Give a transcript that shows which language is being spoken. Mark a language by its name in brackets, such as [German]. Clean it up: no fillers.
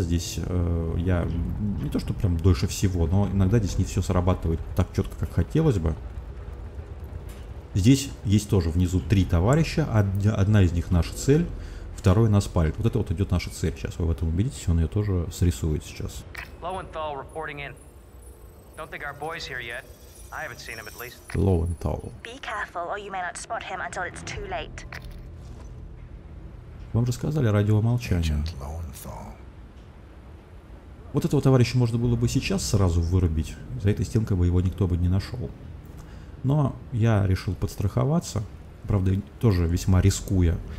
[Russian] Здесь я не то, что прям дольше всего, но иногда здесь не все срабатывает так четко, как хотелось бы. Здесь есть тоже внизу три товарища. Одна из них наша цель, второй нас палит. Вот это вот идет наша цель сейчас. Вы в этом убедитесь, он ее тоже срисует сейчас. [English] Lowenthal reporting in. Don't think our boy's here yet. I haven't seen him at least. Lowenthal. Be careful, or you may not spot him until it's too late. [Russian] Вам же сказали радиомолчание. Вот этого товарища можно было бы сейчас сразу вырубить. За этой стенкой бы его никто бы не нашел. Но я решил подстраховаться. Правда, тоже весьма рискуя.